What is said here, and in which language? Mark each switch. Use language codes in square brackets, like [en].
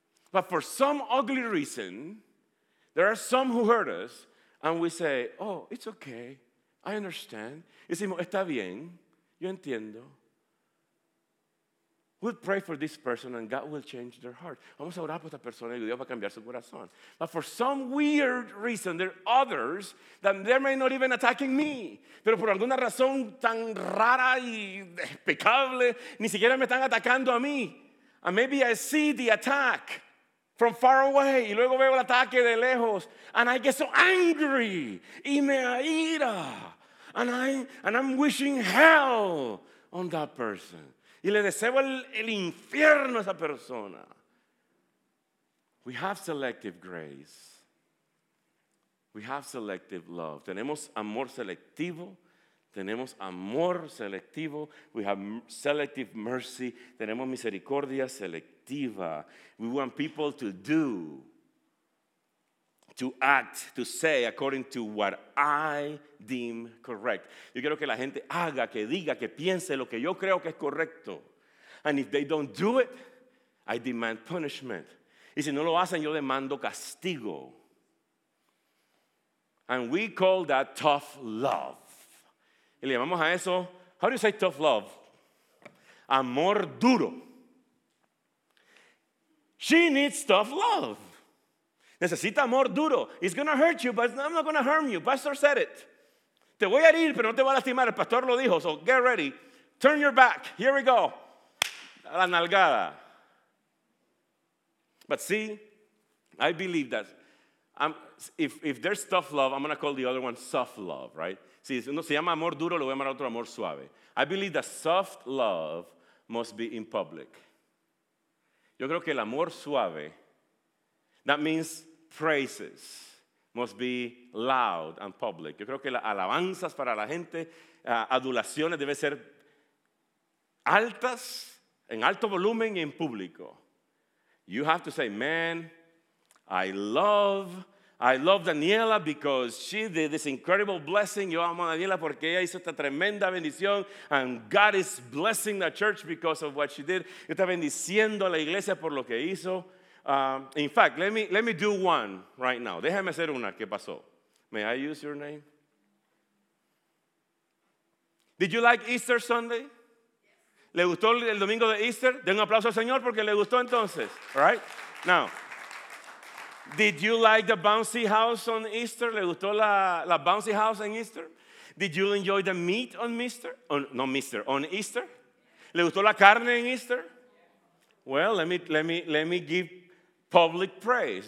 [en] But for some ugly reason, there are some who hurt us, and we say, oh, it's okay, I understand. [es] Y decimos, está bien, yo entiendo. [en] We'll pray for this person and God will change their heart. [es] Vamos a orar por esta persona y Dios va a cambiar su corazón. [en] But for some weird reason, there are others that they may not even attacking me. [es] Pero por alguna razón tan rara y despicable, ni siquiera me están atacando a mí. [en] And maybe I see the attack from far away [es] y luego veo el ataque de lejos. [en] And I get so angry [es] y me ira. [en] And I'm wishing hell on that person. [es] Y le deseo el infierno a esa persona. [en] We have selective grace. We have selective love. [es] Tenemos amor selectivo. Tenemos amor selectivo. [en] We have selective mercy. [es] Tenemos misericordia selectiva. [en] We want people to do, to act, to say according to what I deem correct. [es] Yo quiero que la gente haga, que diga, que piense lo que yo creo que es correcto. [en] And if they don't do it, I demand punishment. [es] Y si no lo hacen, yo demando castigo. [en] And we call that tough love. [es] Y le llamamos a eso, [en] how do you say tough love? [es] Amor duro. [en] She needs tough love. [es] Necesita amor duro. [en] It's going to hurt you, but I'm not going to harm you. Pastor said it. [es] Te voy a herir, pero no te voy a lastimar. El pastor lo dijo, [en] so get ready. Turn your back. Here we go. [es] La nalgada. [en] But see, I believe that if there's tough love, I'm going to call the other one soft love, right? [es] Si uno se llama amor duro, lo voy a llamar otro amor suave. [en] I believe that soft love must be in public. [es] Yo creo que el amor suave, [en] that means praises, must be loud and public. [es] Yo creo que las alabanzas para la gente, adulaciones deben ser altas, en alto volumen y en público. [en] You have to say, man, I love Daniela because she did this incredible blessing. [es] Yo amo a Daniela porque ella hizo esta tremenda bendición. [en] And God is blessing the church because of what she did. [es] Yo está bendiciendo a la iglesia por lo que hizo. [en] In fact, let me do one right now. [es] Déjame hacer una. ¿Qué pasó? [en] May I use your name? Did you like Easter Sunday? [es] ¿Le gustó el domingo de Easter? Den un aplauso al Señor porque le gustó entonces. [en] All right? Now, did you like the bouncy house on Easter? [es] ¿Le gustó la [en] bouncy house on Easter? Did you enjoy the meat on Easter? On Easter? [es] ¿Le gustó la carne en Easter? [en] Well, let me give public praise.